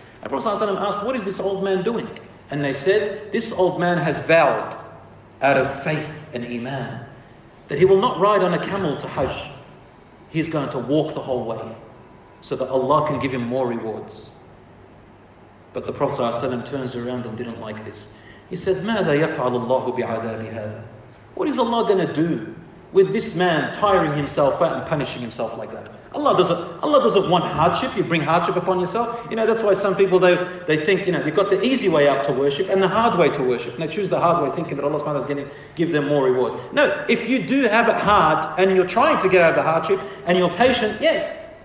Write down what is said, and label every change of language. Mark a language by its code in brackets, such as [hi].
[en] And Prophet ﷺ asked, what is this old man doing? And they said, this old man has vowed out of faith and iman that he will not ride on a camel to Hajj. He's going to walk the whole way so that Allah can give him more rewards. But the Prophet ﷺ turns around and didn't like this. He said, [ar] ماذا يفعل الله بعذاب هذا? [en] What is Allah going to do with this man tiring himself out and punishing himself like that? Allah doesn't want hardship. You bring hardship upon yourself. You know, that's why some people, they think, you know, they've got the easy way out to worship and the hard way to worship. And they choose the hard way thinking that Allah subhanahu wa ta'ala is going to give them more reward. No, if you do have it hard and you're trying to get out of the hardship and you're patient, yes.